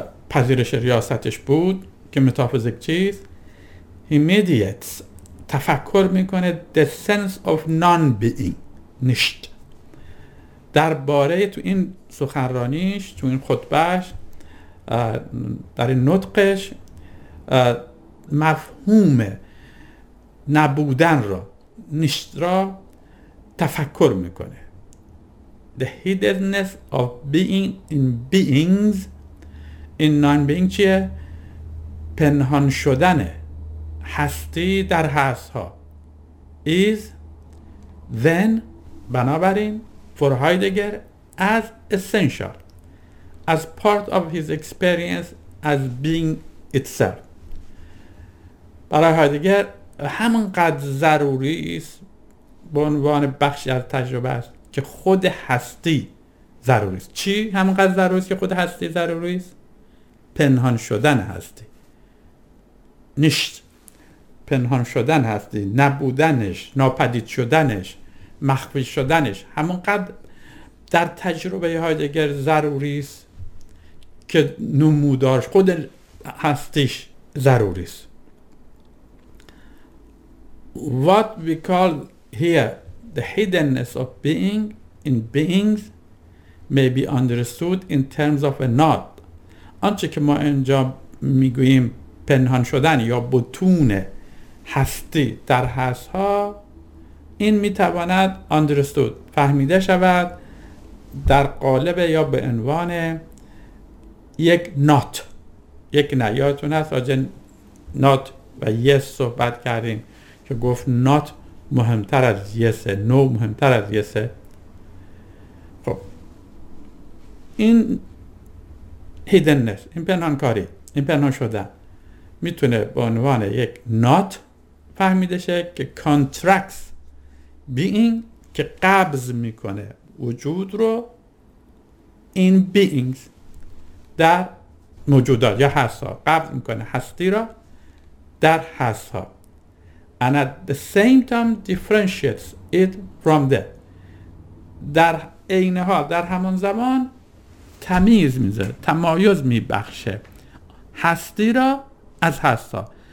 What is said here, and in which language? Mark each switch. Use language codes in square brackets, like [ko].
[fa] پذیرش ریاستش بود که متافیزیک چیست، [en] He mediates [fa] تفکر میکنه [en] The sense of non-being [fa] نشت درباره تو این سخنرانیش، تو این خطبهش، در این نطقش مفهوم نبودن را نیست را تفکر میکنه. [en] The hiddenness of being in beings in non-being [fa] چیه؟ پنهان شدن هستی در هست ها [en] is then [fa] بنابراین [en] for Heidegger as essential as part of his experience as being itself. [fa] برای هایدگر همونقدر ضروری است به عنوان بخشی از تجربه است که خود هستی ضروری است. چی؟ همونقدر ضروری است که خود هستی ضروری است؟ پنهان شدن هستی نیست، پنهان شدن هستی، نبودنش، ناپدید شدنش، مخفی شدنش همونقدر در تجربه هایدگر ضروری است که نمودارش خود هستیش ضروری است. [en] What we call here the hiddenness of being in beings may be understood in terms of a knot. [fa] آنچه که ما اینجا میگوییم پنهان شدن یا بتون هستی در هست ها، این میتواند understood فهمیده شود در قالب یا به عنوان یک نات، یک نه. یادتون هست راجع نات و یس صحبت کردیم که گفت نات مهمتر از یس، نو مهمتر از یس. خب این هیدننس، این پنهانکاری، این پنهان شدن میتونه به عنوان یک نات فهمیده شه که کانترکس بینگ، که قبض میکنه وجود رو این بینگز در موجودات یا هست ها، قبض میکنه هستی را در هست ها. [en] And at the same time differentiates it from that. [fa] در این حال، در همان زمان تمیز میذاره، تمایز میبخشه هستی را از هست ها.